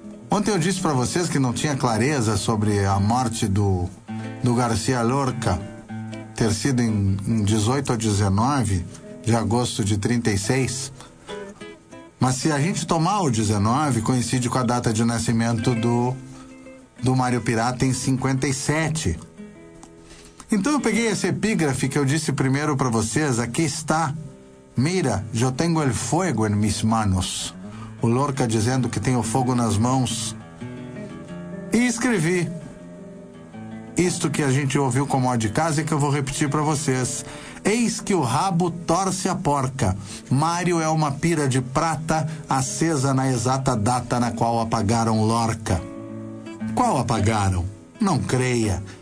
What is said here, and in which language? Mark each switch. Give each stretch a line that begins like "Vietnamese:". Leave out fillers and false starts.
Portuguese: Ontem eu disse para vocês que não tinha clareza sobre a morte do García Lorca ter sido em 18 ou 19 de agosto de 36. Mas se a gente tomar o 19, coincide com a data de nascimento do Mário Pirata em 57. Então eu peguei esse epígrafe que eu disse primeiro para vocês, aqui está.
Spanish: Mira, yo tengo el fuego en mis manos.
Portuguese: O Lorca dizendo que tem o fogo nas mãos. E escrevi isto que a gente ouviu como ó de casa e que eu vou repetir para vocês. Eis que o rabo torce a porca. Mário é uma pira de prata acesa na exata data na qual apagaram Lorca. Qual apagaram? Não creia.